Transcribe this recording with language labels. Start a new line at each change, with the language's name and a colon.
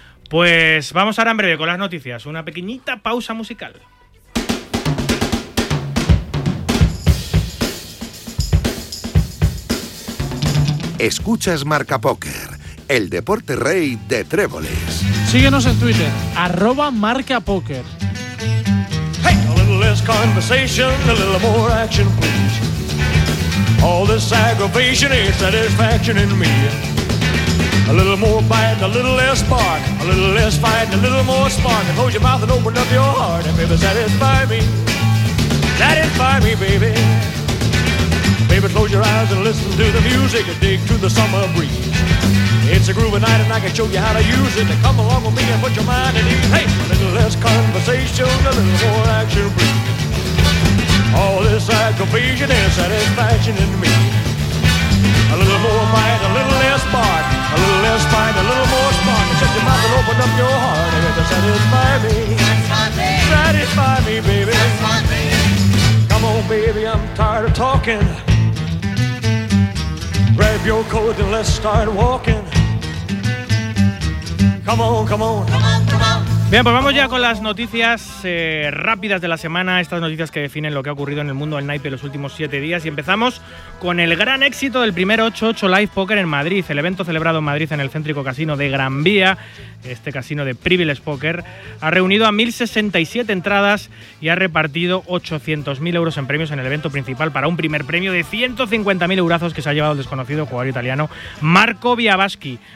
Spanish: Pues vamos ahora en breve con las noticias. Una pequeñita pausa musical. Escuchas Marca Póker, el deporte rey de tréboles. Síguenos en Twitter, @MarcaPóker.
English: Hey, a little less conversation, a little more action, please. All this aggravation ain't satisfaction in me. A little more bite, a little less spark. A little less fight, a little more spark. And close your mouth and open up your heart. And baby, satisfy me. Satisfy me, baby. Baby, close your eyes and listen to the music. And dig to the summer breeze. It's a groovy night and I can show you how to use it. And come along with me and put your mind at ease. Hey, a little less conversation, a little more action, please. All this aggravation and satisfaction in me. A little more bite, a little less bark. A little less fight, a little more spark. Shut your mouth and open up your heart. And it'll satisfy me. Satisfy me, baby. Come on, baby, I'm tired of talking. Grab your coat and let's start walking. Come on, come on.
Spanish: Bien, pues vamos ya con las noticias rápidas de la semana, estas noticias que definen lo que ha ocurrido en el mundo del naipe los últimos 7 días, y empezamos con el gran éxito del primer 8-8 Live Poker en Madrid. El evento celebrado en Madrid en el céntrico casino de Gran Vía, este casino de Privilege Poker, ha reunido a 1.067 entradas y ha repartido 800.000 euros en premios en el evento principal, para un primer premio de 150.000 eurazos que se ha llevado el desconocido jugador italiano Marco Biavaschi.